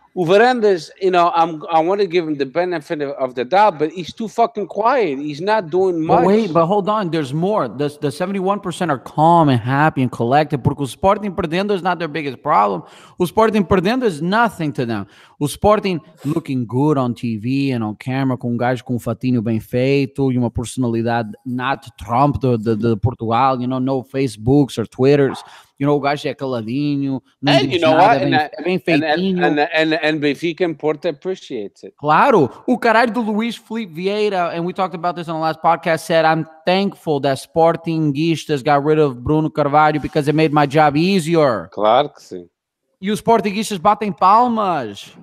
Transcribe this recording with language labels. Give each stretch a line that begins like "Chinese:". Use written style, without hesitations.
English: Uverandes, you know, I want to give him the benefit of the doubt, but he's too fucking quiet. He's not doing much. But wait, but hold on. There's more. The 71% are calm and happy and collected.
Portuguese: Porque o Sporting perdendo
English: is not their biggest problem.
Portuguese: O Sporting perdendo
English: is nothing to them. O Sporting looking good on TV and on camera,
Portuguese: com um gajo com um fatinho bem feito e uma personalidade
English: not Trump, the Portugal, you know, no Facebooks or Twitters. You know,
Portuguese: o gajo é caladinho.
English: And you know what?
Portuguese: Bem feitinho.
English: And Benfica and Porto appreciate it.
Portuguese: Claro. O caralho do Luis Felipe Vieira,
English: and we talked about this on the last podcast, said, I'm thankful that Sportingistas got rid of Bruno Carvalho because it made my job easier.
Portuguese: Claro que sim. E os Sportingistas batem palmas.